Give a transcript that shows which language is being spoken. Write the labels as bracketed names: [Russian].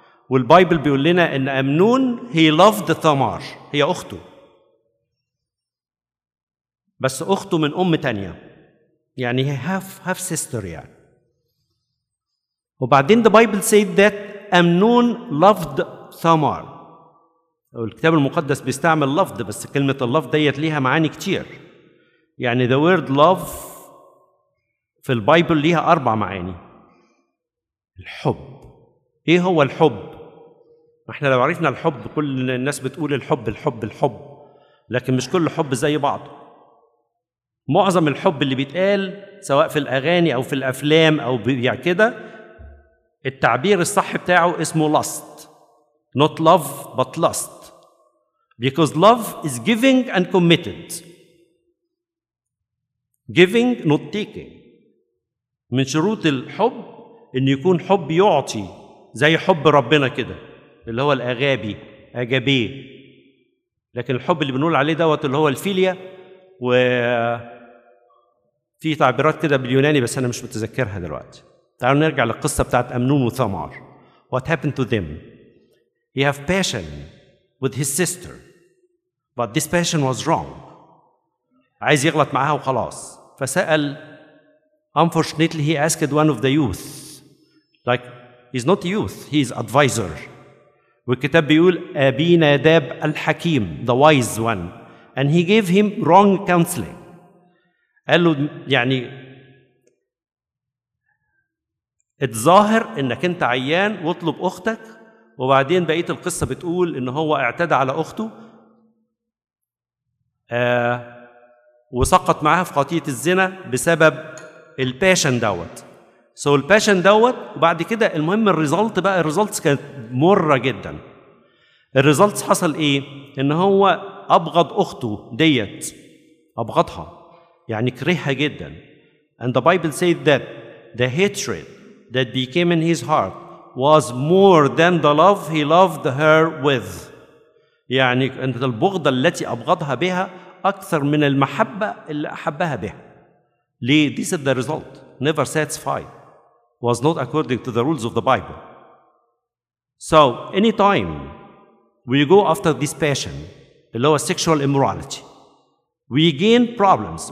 [Arabic] والبايبل بيقول لنا ان أمنون [English] he loved [Arabic] ثامار، هي اخته، بس اخته من ام تانية، يعني هي [English] half sister [Arabic] يعني. وبعدين [English] the Bible said that Amnon loved Tamar. [Arabic] الكتاب المقدس بيستعمل لفظ، بس كلمة اللفظ ديت ليها معاني كتير. يعني [English] the word love [Arabic] في البايبل ليها أربع معاني. الحب، إيه هو الحب؟ إحنا لو عرفنا الحب، كل الناس بتقول الحب الحب الحب، لكن مش كل حب زي بعض. معظم الحب اللي بيتقال سواء في الأغاني أو في الأفلام أو يعني كده، التعبير الصح بتاعه اسمه lust. [English] Not love but lust. Because love is giving and committed. Giving, not taking. [Arabic] من شروط الحب ان يكون حب يعطي، زي حب ربنا كده اللي هو الاغابي، اجابي. لكن الحب اللي بنقول عليه دوت اللي هو الفيليا، وفي تعبيرات كده باليوناني بس انا مش متذكرها دلوقتي. تعالوا نرجع للقصه بتاعت امنون وثمار. [English] What happened to them? He have passion with his sister, but this passion was wrong. [Arabic] عايز يغلط معها وخلاص. فسأل. [English] Unfortunately, he asked one of the youth. Like, he's not a youth, he's advisor. [Arabic] والكتاب بيقول أبي ناداب الحكيم, [English] the wise one. And he gave him wrong counseling. [Arabic] قال له يعني اتظاهر انك انت عيان واطلب اختك. وبعدين بقيت القصة بتقول إن هو اعتدى على أخته وسقط معها في خطية الزنا بسبب الباشن دوت. سو الباشن دوت. وبعد كده المهم الريزلت بقى، الريزلت كانت مرة جدا. الريزلت حصل إيه؟ إن هو أبغض أخته ديت، أبغضها يعني كرهها جدا. [English] And the Bible said that the hatred that became in his heart was more than the love he loved her with. [Arabic] يعني أن البغضة التي أبغضها بها أكثر من المحبة اللي أحبها بها. ليه؟ [English] This is the result. Never satisfied. was not according to the rules of the Bible. So anytime we go after this passion, the lower sexual immorality, we gain problems.